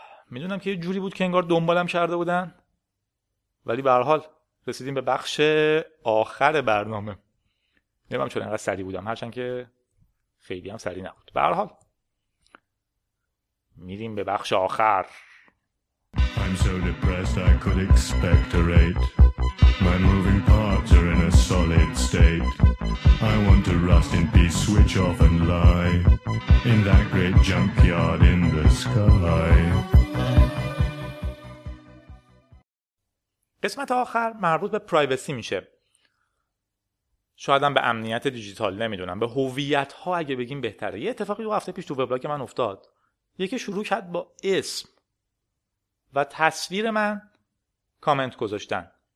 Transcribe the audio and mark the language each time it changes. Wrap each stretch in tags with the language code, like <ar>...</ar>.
<fa>میدونم که یه جوری بود که انگار دنبالم کرده بودن، ولی به هر حال رسیدیم به بخش آخر برنامه. نمیدونم چرا انقدر سریع بودم، هرچند که خیلی هم سریع نبود. به هر حال میریم به بخش آخر.</fa> <en>I'm so depressed I could expectorate. My moving parts are in a solid state. I want to rust in peace, switch off and lie in that great junkyard in the sky.</en> <fa>قسمت آخر مربوط به پرایوسی میشه. شاید هم به امنیت دیجیتال، نمیدونم، به هویت ها اگه بگیم بهتره. یه اتفاقی دو هفته پیش تو وبلاگ من افتاد. یکی شروع کرد با اسم و تصویر من کامنت گذاشتن.</fa>